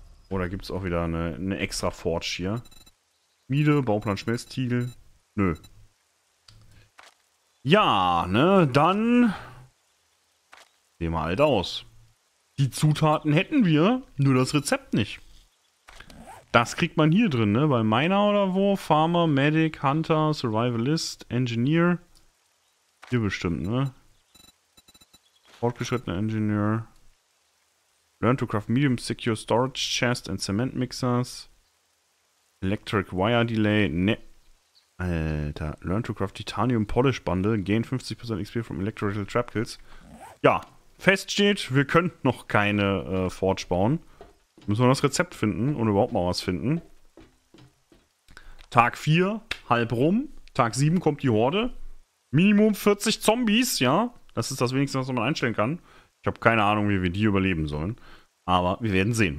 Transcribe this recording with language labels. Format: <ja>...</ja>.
<de>Oder gibt es auch wieder eine extra Forge hier? Schmiede, Bauplan Schmelztiegel. Nö. Ja, ne? Dann sehen wir halt aus. Die Zutaten hätten wir, nur das Rezept nicht. Das kriegt man hier drin, ne? Bei Miner oder wo? Farmer, Medic, Hunter, Survivalist, Engineer. Hier bestimmt, ne? Fortgeschrittener Engineer.</de> <en>Learn to craft medium secure storage chest and cement mixers. Electric wire delay.</en> <de>Ne. Alter.</de> <en>Learn to craft titanium polish bundle. Gain 50% XP from electrical trap kills.</en> <de>Ja. Fest steht, wir können noch keine Forge bauen. Müssen wir das Rezept finden und überhaupt mal was finden. Tag 4, halb rum. Tag 7 kommt die Horde. Minimum 40 Zombies, ja. Das ist das wenigste, was man einstellen kann. Ich habe keine Ahnung, wie wir die überleben sollen. Aber wir werden sehen.</de>